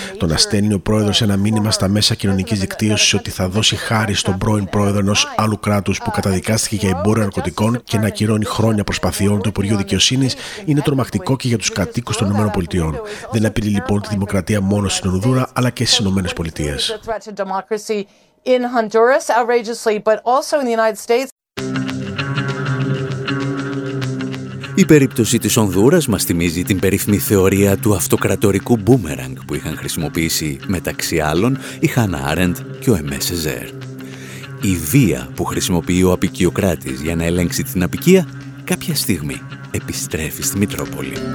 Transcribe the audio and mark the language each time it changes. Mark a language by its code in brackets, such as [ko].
[el] Το να στέλνει ο πρόεδρος ένα μήνυμα στα μέσα κοινωνικής δικτύωσης ότι θα δώσει χάρη στον πρώην πρόεδρο ενός άλλου κράτους που καταδικάστηκε για εμπόριο ναρκωτικών και να ακυρώνει χρόνια προσπαθειών του Υπουργείου Δικαιοσύνης είναι τρομακτικό και για τους κατοίκους των Ηνωμένων Πολιτείων. Δεν απειλεί λοιπόν τη δημοκρατία μόνο στην Ονδούρα αλλά και στις Ηνωμένες Πολιτείες. [en] In Honduras, outrageously, but also in the United States. [el] Η περίπτωση της Ονδούρας μας θυμίζει την περίφημη θεωρία του αυτοκρατορικού μπούμεραγκ που είχαν χρησιμοποιήσει μεταξύ άλλων η Χάννα Άρεντ και ο Εμέσεζερ. Η βία που χρησιμοποιεί ο αποικιοκράτης για να ελέγξει την αποικία κάποια στιγμή επιστρέφει στη Μητρόπολη.